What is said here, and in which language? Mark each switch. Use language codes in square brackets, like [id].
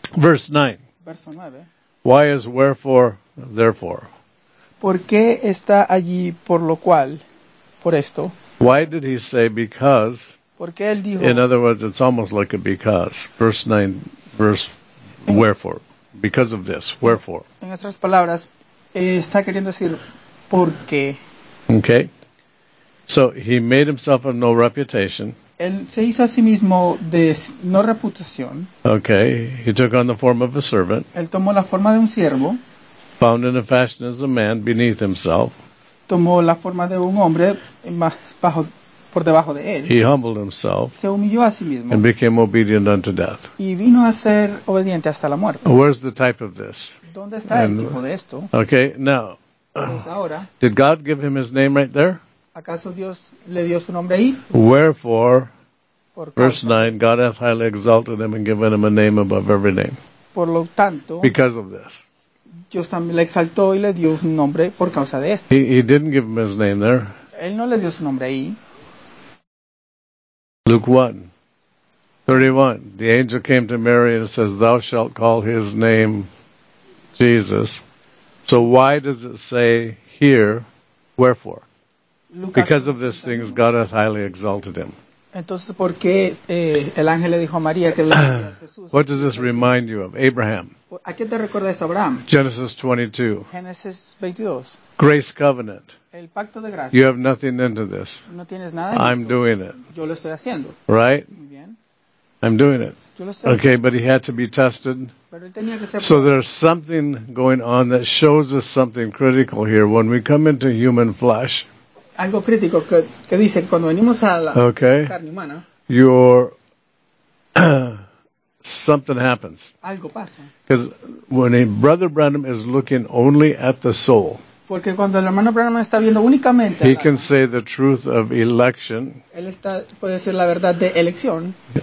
[en] Verse 9. [es] Verso 9. [en] Why is wherefore therefore? [es] ¿Por qué está allí por lo cual? Por esto. [en] Why did he say because? [es] Porque él dijo. [en] In other words, it's almost like a because. Verse 9, verse wherefore. Because of this, wherefore. [es] En otras palabras, está queriendo decir por qué. [en] Okay. So he made himself of no reputation. [es] Él se hizo a sí mismo de no reputación. [en] Okay, he took on the form of a servant. [es] Él tomó la forma de un siervo. [en] Found in a fashion as a man beneath himself. [es] Tomó la forma de un hombre más bajo, por debajo de él. [en] He humbled himself. [es] Se humilló a sí mismo. [en] And became obedient unto death. [es] Y vino a ser obediente hasta la muerte. [en] Where's the type of this? [es] ¿Dónde está el tipo de esto? [en] Okay, now. [es] Pues ahora, [en] did God give him his name right there? [es] ¿Acaso Dios le dio su nombre ahí? [en] Wherefore, verse 9, God hath highly exalted him and given him a name above every name. [es] Por lo tanto, [en] because of this. [es] Dios también le exaltó y le dio un nombre por causa de esto. [en] He didn't give him his name there. [es] Él no le dio su nombre ahí. [en] Luke 1. 31. The angel came to Mary and says, thou shalt call his name Jesus. So why does it say here, wherefore? Lucas, because of these things, God hath highly exalted him. [es] Entonces, ¿por qué, el ángel le dijo a María que le [en] Jesús? What does this remind you of? Abraham. [es] ¿A qué te recuerda esto, Abraham? [en] Genesis 22. [es] Genesis 22. [en] Grace covenant. [es] El pacto de gracia. [en] You have nothing into this. [es] No tienes nada. [en] I'm [es] esto. [en] Doing it. [es] Yo lo estoy haciendo. [en] Right? [es] Bien. [en] I'm doing it. [es] Yo lo estoy [en] okay, [es] haciendo. [en] But he had to be tested. [es] Pero él tenía que ser so probado. [en] There's something going on that shows us something critical here. When we come into human flesh, [es] algo crítico que dice cuando venimos a la [en] okay. [es] carne humana, [en] your something happens. [es] Algo pasa. [en] Because when a brother Branham is looking only at the soul, [es] porque cuando el hermano Branham está viendo únicamente, [en] he can say the truth of election. [es] Él está puede decir la verdad de elección.